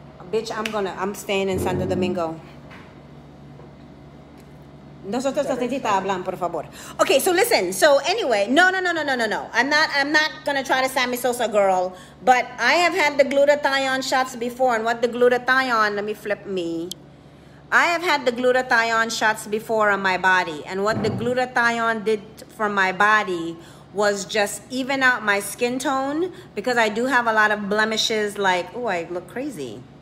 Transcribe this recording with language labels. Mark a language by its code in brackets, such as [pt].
[en] Bitch, I'm staying in Santo Domingo. [es] Nosotros necesitamos hablar, por favor. [en] Okay, so listen. So anyway, no. I'm not going to try to Sammy Sosa girl, but I have had the glutathione shots before. And what the glutathione, let me flip me. I have had the glutathione shots before on my body. And what the glutathione did for my body was just even out my skin tone, because I do have a lot of blemishes, like, oh, I look crazy.